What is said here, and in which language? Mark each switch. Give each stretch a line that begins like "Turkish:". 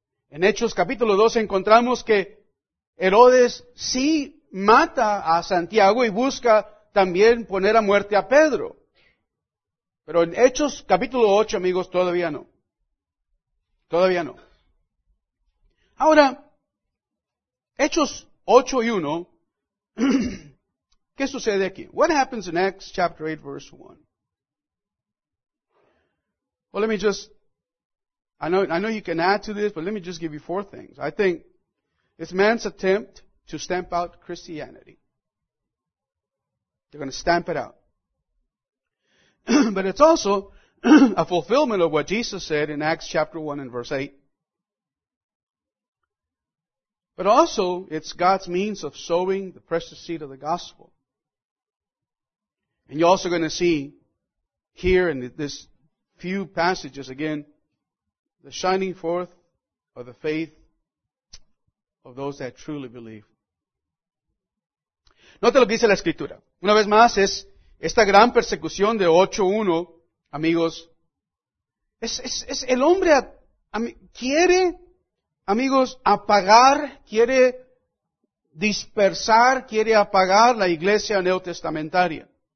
Spanish: En Hechos capítulo 12 encontramos que Herodes sí mata a Santiago y busca también poner a muerte a Pedro. Pero en Hechos capítulo 8, amigos, todavía no. Todavía no. Ahora, Hechos 8 y 1, ¿qué sucede aquí?
English: What happens in Acts chapter 8, verse 1? Well, let me just, I know you can add to this, but let me just give you four things. I think it's man's attempt to stamp out Christianity. They're going to stamp it out. But it's also a fulfillment of what Jesus said in Acts chapter 1 and verse 8. But also, it's God's means of sowing the precious seed of the gospel. And you're also going to see here in this few passages again, the shining forth of the faith of those that truly believe.
Spanish: Note lo que dice la Escritura. Una vez más, es esta gran persecución de 8:1, amigos. Es el hombre quiere, amigos, apagar, quiere dispersar, quiere apagar la iglesia neotestamentaria.